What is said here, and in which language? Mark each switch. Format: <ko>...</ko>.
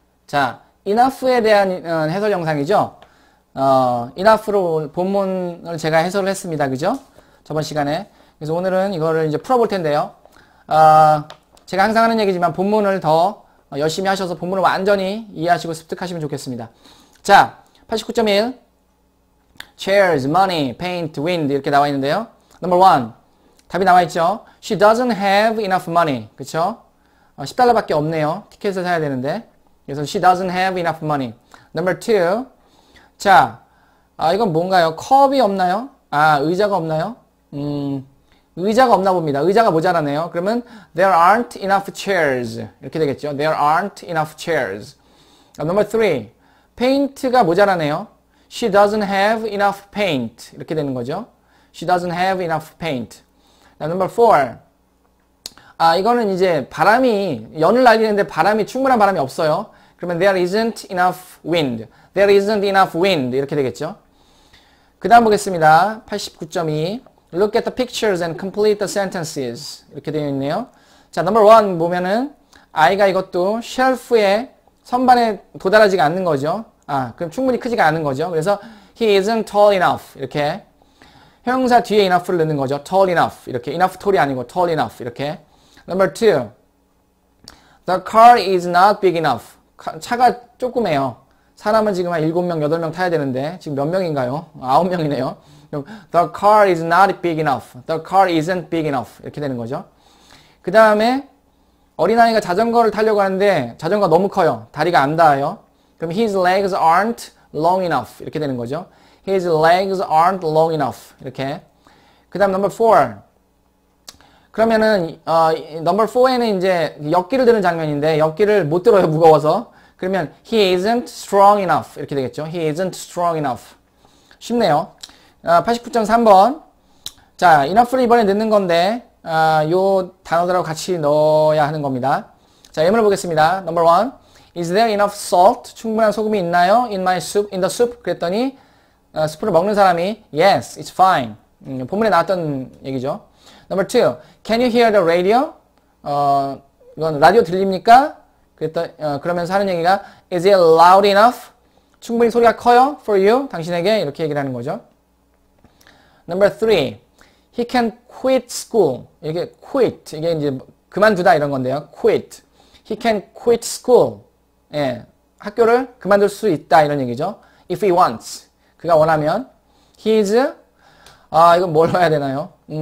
<ko>자, enough에 대한 해설 영상이죠. enough로 본문을 제가 해설을 했습니다. 그죠? 저번 시간에. 그래서 오늘은 이거를 이제 풀어볼 텐데요. 제가 항상 하는 얘기지만 본문을 더 열심히 하셔서 본문을 완전히 이해하시고 습득하시면 좋겠습니다. 자, 89.1.</ko> <en>Chairs, money, paint, wind</en> <ko>이렇게 나와 있는데요.</ko> <en>Number one,</en> <ko>답이 나와 있죠.</ko> <en>She doesn't have enough money.</en> <ko>그쵸? 10달러밖에 없네요. 티켓을 사야 되는데. 그래서 she doesn't have enough money.</ko> <en>Number two,</en> <ko>자, 이건 뭔가요? 컵이 없나요? 아, 의자가 없나요? 의자가 없나 봅니다. 의자가 모자라네요. 그러면</ko> <en>there aren't enough chairs</en> <ko>이렇게 되겠죠.</ko> <en>There aren't enough chairs.</en> <ko>Number three, 페인트가 모자라네요.</ko> <en>She doesn't have enough paint.</en> <ko>이렇게 되는 거죠.</ko> <en>She doesn't have enough paint. Now, number four.</en> <ko>아, 이거는 이제 바람이, 연을 날리는데 바람이, 충분한 바람이 없어요.</ko> <en>그러면 there isn't enough wind. There isn't enough wind.</en> <ko>이렇게 되겠죠. 그 다음 보겠습니다. 89.2.</ko> <en>Look at the pictures and complete the sentences.</en> <ko>이렇게 되어 있네요. 자, number one 보면은, 아이가 이것도 shelf에, 선반에 도달하지가 않는 거죠. 아, 그럼 충분히 크지가 않은 거죠. 그래서</ko> <en>he isn't tall enough</en> <ko>이렇게 형용사 뒤에 enough를 넣는 거죠.</ko> <en>tall enough</en> <ko>이렇게</ko> <en>enough tall</en> <ko>이 아니고</ko> <en>tall enough 이렇게. Number two, the car is not big enough.</en> <ko>차가 조그매요. 사람은 지금 한 7명, 8명 타야 되는데 지금 몇 명인가요? 9명이네요.</ko> <en>그럼 the car is not big enough. The car isn't big enough</en> <ko>이렇게 되는 거죠. 그 다음에 어린아이가 자전거를 타려고 하는데 자전거가 너무 커요. 다리가 안 닿아요.</ko> <en>그럼 his legs aren't long enough</en> <ko>이렇게 되는 거죠.</ko> <en>His legs aren't long enough</en> <ko>이렇게. 그다음</ko> <en>number four.</en> <ko>그러면은 number four에는 이제 역기를 드는 장면인데 역기를 못 들어요, 무거워서.</ko> <en>그러면 he isn't strong enough</en> <ko>이렇게 되겠죠.</ko> <en>He isn't strong enough.</en> <ko>쉽네요. 89.3번. 자, enough를 이번에 넣는 건데 요 단어들하고 같이 넣어야 하는 겁니다. 자, 예문을 보겠습니다.</ko> <en>Number one. Is there enough salt?</en> <ko>충분한 소금이 있나요?</ko> <en>In my soup, in the soup.</en> <ko>그랬더니 수프를 먹는 사람이</ko> <en>Yes, it's fine.</en> <ko>본문에 나왔던 얘기죠.</ko> <en>Number two, Can you hear the radio?</en> <ko>이건 라디오 들립니까? 그러면서 하는 얘기가</ko> <en>Is it loud enough?</en> <ko>충분히 소리가 커요?</ko> <en>For you,</en> <ko>당신에게 이렇게 얘기를 하는 거죠.</ko> <en>Number three, He can quit school.</en> <ko>이게 quit, 이게 이제 그만두다 이런 건데요.</ko> <en>Quit. He can quit school.</en> <ko>예, 학교를 그만둘 수 있다 이런 얘기죠.</ko> <en>If he wants,</en> <ko>그가 원하면, he's 아 이건 뭘 넣어야 되나요?</ko>